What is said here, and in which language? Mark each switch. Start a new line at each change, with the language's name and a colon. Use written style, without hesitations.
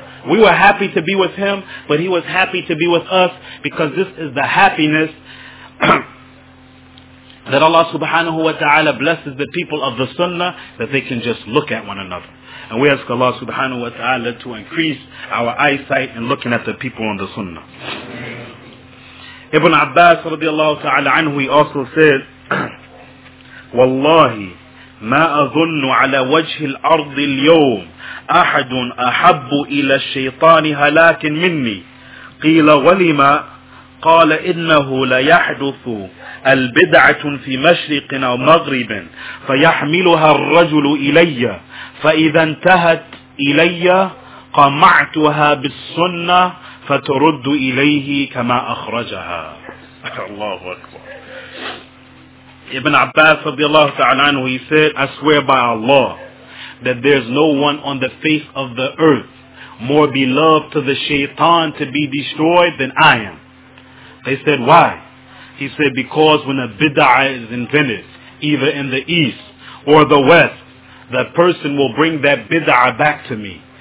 English: We were happy to be with him, but he was happy to be with us, because this is the happiness that Allah subhanahu wa ta'ala blesses the people of the sunnah, that they can just look at one another. And we ask Allah subhanahu wa ta'ala to increase our eyesight in looking at the people on the sunnah. Ibn Abbas radiallahu ta'ala anhu, he also said,
Arabic: Wallahi, ma azunnu ala wajhi al-ardi al-yawm أحد أحب إلى الشيطان هلاك مني قيل ولما قال إنه ليحدث البدعة في مشرق أو مغرب فيحملها الرجل إلي فإذا انتهت إلي قمعتها بالسنة فترد إليه كما أخرجها. الله أكبر.
English: Ibn Abbas رضي الله تعالى عنه, he said, I swear by Allah that there's no one on the face of the earth more beloved to the shaitan to be destroyed than I am. They said, why? He said, because when a bid'ah is invented, either in the east or the west, that person will bring that bid'ah back to me.